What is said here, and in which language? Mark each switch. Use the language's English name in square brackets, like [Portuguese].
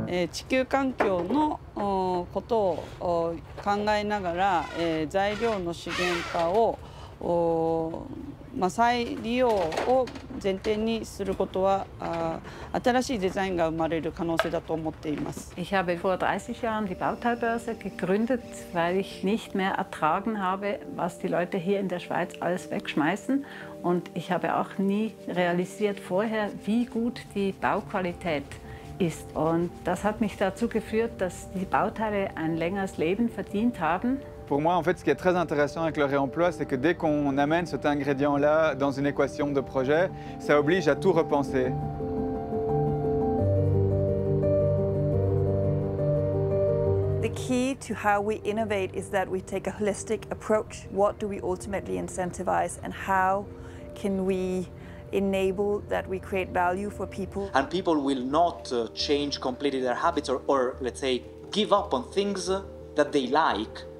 [Japanese] 地球環境のことを考えながら材料の資源化を再利用を前提にすることは新しいデザインが生まれる可能性だと思っています。 [German] Ich habe vor 30 Jahren die Bauteilbörse gegründet, weil ich nicht mehr ertragen habe, was die Leute hier in der Schweiz alles wegschmeißen. Und ich habe auch nie realisiert vorher, wie gut die Bauqualität ist. Und das hat mich dazu geführt, dass die Bauteile ein längeres Leben verdient haben. [French] Pour moi, en fait, ce qui est très intéressant avec le réemploi, c'est que dès qu'on amène cet ingrédient-là dans une équation de projet, ça oblige à tout repenser. [English] The key to how we innovate is that we take a holistic approach. What do we ultimately incentivize and how can we enable that we create value for people? And people will not change completely their habits or let's say, give up on things that they like.